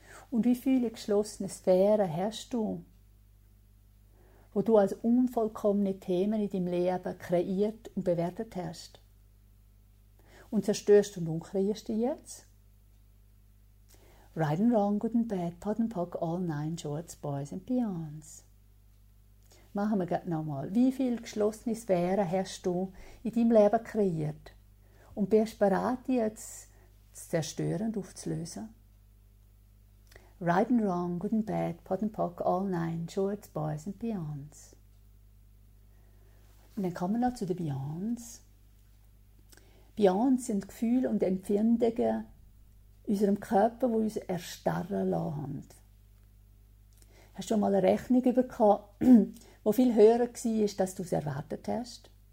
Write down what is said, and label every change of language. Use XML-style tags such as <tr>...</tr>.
<de>Und wie viele geschlossene Sphären hast du, wo du als unvollkommene Themen in deinem Leben kreiert und bewertet hast? Und zerstörst und umkreierst dich jetzt?</de> <en>Right and wrong, good and bad, pot and pock, all nine shorts, boys and beyonds.</en> <de>Machen wir gerade nochmal. Wie viele geschlossene Sphären hast du in deinem Leben kreiert? Und bist bereit, dich jetzt zu zerstören und aufzulösen?</de> <en>Right and wrong, good and bad, pot and pock, all nine, shorts, boys and beyonds.</en> <de>Und dann kommen wir noch zu den Beyonds. Beyonds sind Gefühle und Empfindungen in unserem Körper, die uns erstarren lassen. Hast du mal eine Rechnung bekommen, die viel höher war, als du es erwartet hast?</de>